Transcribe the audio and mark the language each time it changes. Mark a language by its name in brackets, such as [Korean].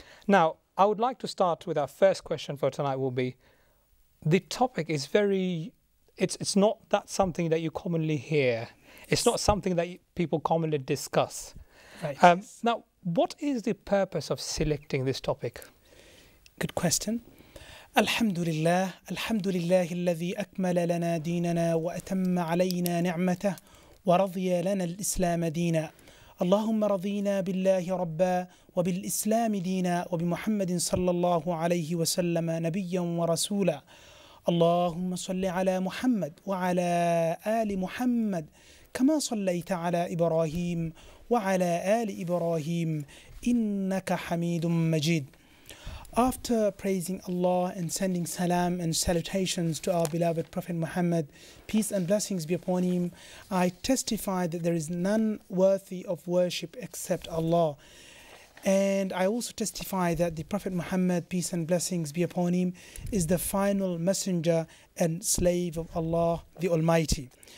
[English] Now, I would like to start with our first question for tonight will be, the topic is very, it's not that something that you commonly hear. It's not something that people commonly discuss. Right. Now, what is the purpose of selecting this topic? Good question. [Arabic] الحمد لله الحمد لله الذي أكمل لنا ديننا وأتم علينا نعمته ورضي لنا الإسلام دينا اللهم رضينا بالله ربا وبالإسلام دينا وبمحمد صلى الله عليه وسلم نبيا ورسولا اللهم صل على محمد وعلى آل محمد كما صليت على إبراهيم وعلى آل إبراهيم إنك حميد مجيد. [English] After praising Allah and sending salam and salutations to our beloved Prophet Muhammad, peace and blessings be upon him, I testify that there is none worthy of worship except Allah. And I also testify that the Prophet Muhammad, peace and blessings be upon him, is the final messenger and slave of Allah the Almighty.